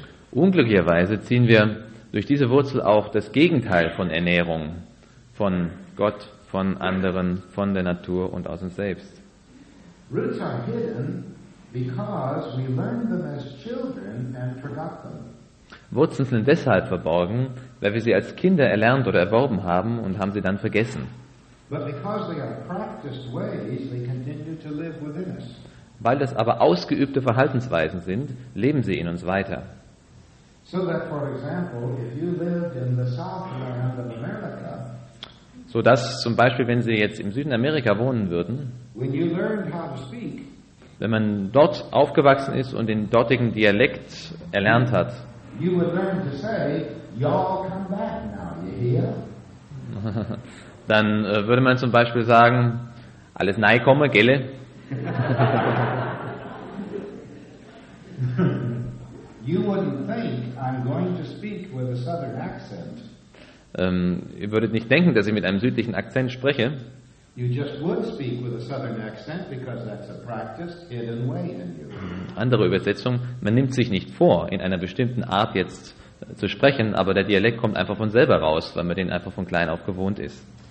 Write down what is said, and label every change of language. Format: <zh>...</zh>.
<de>Unglücklicherweise ziehen wir durch diese Wurzel auch das Gegenteil von Ernährung, von Gott, von anderen, von der Natur und aus uns selbst.</de> <en>Roots are hidden because we learned them as children and forgot them.</en> <de>Wurzeln sind deshalb verborgen, weil wir sie als Kinder erlernt oder erworben haben und haben sie dann vergessen. Weil das aber ausgeübte Verhaltensweisen sind, leben sie in uns weiter. So dass zum Beispiel, wenn Sie jetzt im Süden Amerika wohnen würden, wenn man dort aufgewachsen ist und den dortigen Dialekt erlernt hat,</de> <en>you would learn to say, y'all come back now, you hear?</en> <de>Dann würde man zum Beispiel sagen, alles nei komme, gelle.</de> <en>You wouldn't think I'm going to speak with a southern accent.</en> <de>Ihr würdet nicht denken, dass ich mit einem südlichen Akzent spreche.</de> <en>You just would speak with a southern accent because that's a practiced hidden way in you.</en> <de>Andere Übersetzung, man nimmt sich nicht vor, in einer bestimmten Art jetzt zu sprechen, aber der Dialekt kommt einfach von selber raus, weil man den einfach von klein auf gewohnt ist.</de>